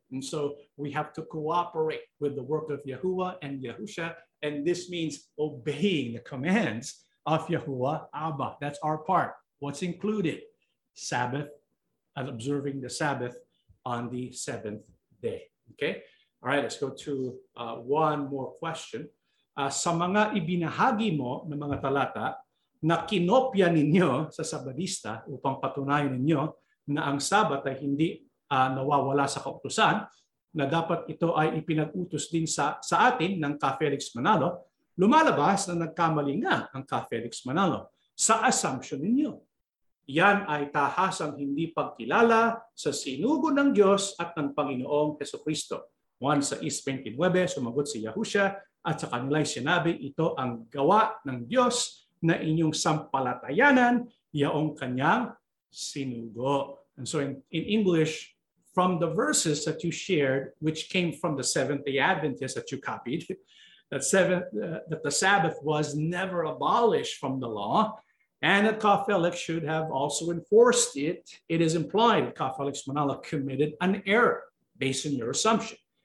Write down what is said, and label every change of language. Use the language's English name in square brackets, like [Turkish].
[English] And so we have to cooperate with the work of Yahuwah and Yahushua, and this means obeying the commands of Yahuwah Abba. That's our part. What's included? Sabbath, and observing the Sabbath on the seventh day. Okay. All right. Let's go to one more question. [Filipino] sa mga ibinahagi mo ng mga talata na kinopya ninyo sa Sabadista upang patunayan ninyo na ang Sabat ay hindi nawawala sa kautusan, na dapat ito ay ipinag-utos din sa atin ng Ka-Felix Manalo, lumalabas na nagkamali nga ang Ka-Felix Manalo sa assumption ninyo. Yan ay tahasang hindi pagkilala sa sinugo ng Diyos at ng Panginoong Hesukristo. 1:29, sumagot si Yahusha at sa kanila'y sinabi, ito ang gawa ng Diyos na inyong sampalatayanan, iyong kanyang sinugo. [English] And so in English, from the verses that you shared, which came from the Seventh-day Adventist that you copied, that the Sabbath was never abolished from the law, and that Ka-Felix should have also enforced it, it is implied that Ka-Felix Manalo committed an error based on your assumption.